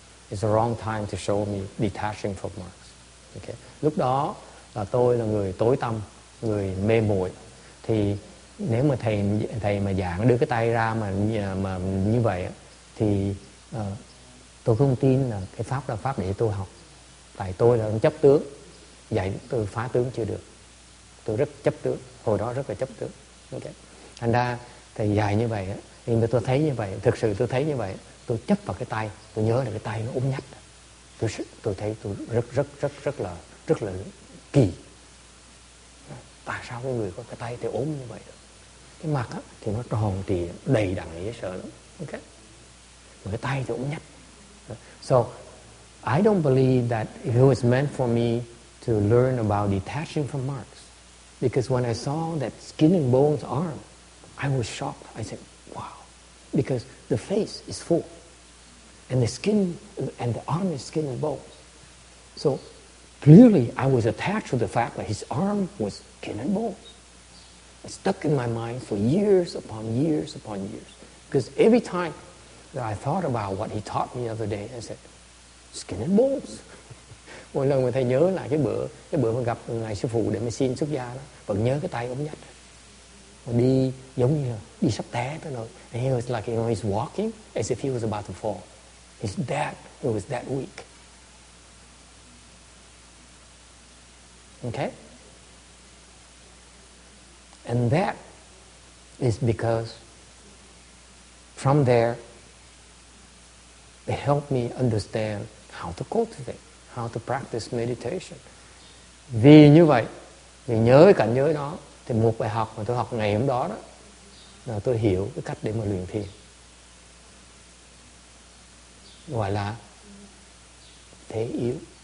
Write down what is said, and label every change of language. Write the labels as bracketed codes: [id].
[en] It's the wrong time to show me detaching from Marx. [vi] Okay, lúc đó là tôi là người tối tăm, người mê muội. Thì nếu mà thầy mà giảng đưa cái tay ra mà như vậy thì tôi không tin là cái pháp là pháp để tôi học, tại tôi là chấp tướng, vậy tôi phá tướng chưa được, tôi rất chấp tướng, hồi đó rất là chấp tướng. Okay. Thành ra thầy dạy như vậy, nhưng mà tôi thấy như vậy, thực sự tôi thấy như vậy, tôi chấp vào cái tay, tôi nhớ là cái tay nó ốm nhách, tôi thấy tôi rất là kỳ. Tại sao cái người có cái tay thì ốm như vậy được? Cái mặt á thì nó tròn thì đầy đặn dễ sợ lắm. Okay. Mà cái tay thì ốm nhách. [en] So I don't believe that it was meant for me to learn about detaching from marks. Because when I saw that skin and bones arm, I was shocked. I said, wow. Because the face is full. And the skin and the arm is skin and bones. So clearly I was attached to the fact that his arm was skin and bones. It stuck in my mind for years upon years upon years. Because every time that I thought about what he taught me the other day, I said, skin and bones. [vi] Mỗi lần mà thầy nhớ lại cái bữa mà gặp Ngài Sư Phụ để mà xin xuất gia đó, vẫn nhớ cái tay ống nhách. Mà đi giống như là đi sắp té tới nơi. [en] And he was like, you know, he's walking as if he was about to fall. He was that weak. Okay? And that is because from there, it helped me understand how to cultivate, how to practice meditation. [vi] Vì như vậy, vì nhớ cái cảnh giới đó, thì một bài học mà tôi học ngày hôm đó đó, là tôi hiểu cái cách để mà luyện thiền. Gọi là thế yếu.